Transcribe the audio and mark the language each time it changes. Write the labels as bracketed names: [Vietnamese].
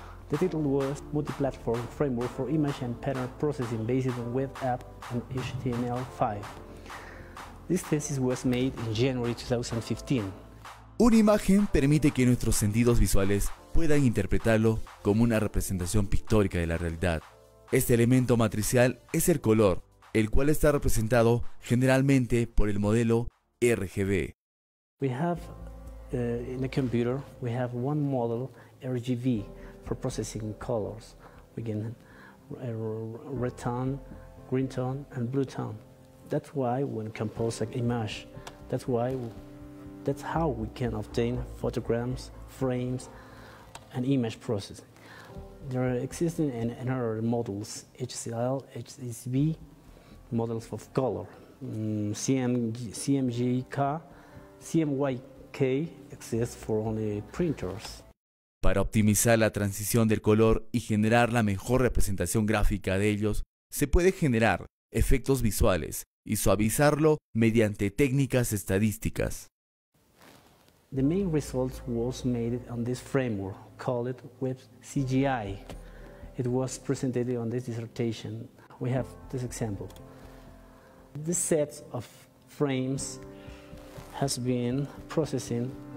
[English] The title was Multiplatform Framework for Image and Pattern Processing Based on Web App and HTML5. This thesis was made in January 2015. [Spanish] Una imagen permite que nuestros sentidos visuales puedan interpretarlo como una representación pictórica de la realidad. Este elemento matricial es el color, el cual está representado generalmente por el modelo RGB. [English] We have in a computer we have one model RGB for processing colors. We can red tone, green tone and blue tone. That's why when compose an image, that's how we can obtain photograms, frames and image processing. There are existing and other models, HCL, HCB, models of color, CMYK exists for only printers. [Spanish] Para optimizar la transición del color y generar la mejor representación gráfica de ellos, se puede generar efectos visuales y suavizarlo mediante técnicas estadísticas. [English] The main results was made on this framework called Web CGI. It was presented on this dissertation. We have this example. This set of frames has been processing.